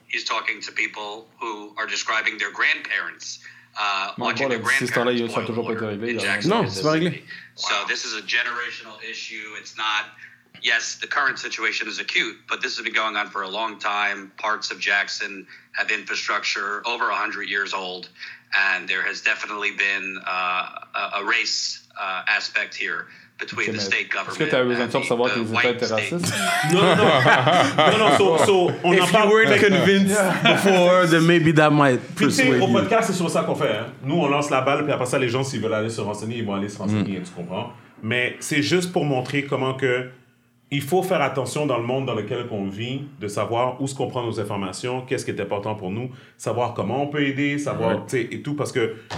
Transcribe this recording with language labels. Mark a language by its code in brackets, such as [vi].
[en] He's talking to people who are describing their grandparents So this is a generational issue. It's not, yes, the current situation is acute, but this has been going on for a long time. Parts of Jackson have infrastructure over 100 years old, and there has definitely been a race aspect here. Between the state government. [fr] Est-ce que t'as raison de savoir que les États étaient racistes? Non. [en] If you weren't convinced before, then maybe that might persuade you. [fr] Au podcast, c'est sur ça qu'on fait. Hein. Nous, on lance la balle, puis après ça, les gens, s'ils veulent aller se renseigner, ils vont aller se renseigner, tu comprends? Mais c'est juste pour montrer comment que il faut faire attention dans le monde dans lequel on vit, de savoir où est-ce qu'on prend nos informations, qu'est-ce qui est important pour nous, savoir comment on peut aider, savoir, tu sais, et tout, parce que...